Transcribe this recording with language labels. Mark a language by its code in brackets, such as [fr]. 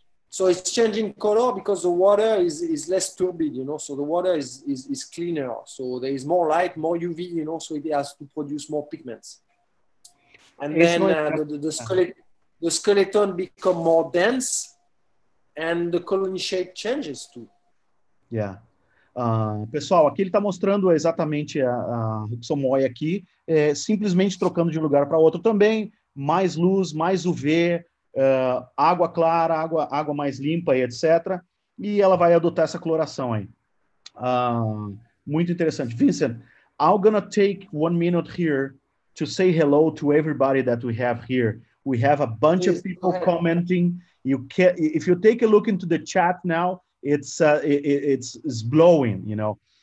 [en] So it's changing color because the water is less turbid, you know, so the water is cleaner. So there is more light, more UV, you know, so it has to produce more pigments. And it's then the skeleton become more dense, and the colony shape changes too. Yeah. [pt] Pessoal, aqui ele está mostrando exatamente a Rixomoy aqui, simplesmente trocando de um lugar para outro também, mais luz, mais UV, água clara, água mais limpa, e etc. E ela vai adotar essa coloração aí. Muito interessante. [en] Vincent, I'm going to take 1 minute here to say hello to everybody that we have here. We have a bunch of people commenting. You can, if you take a look into the chat now, it's blowing, you know.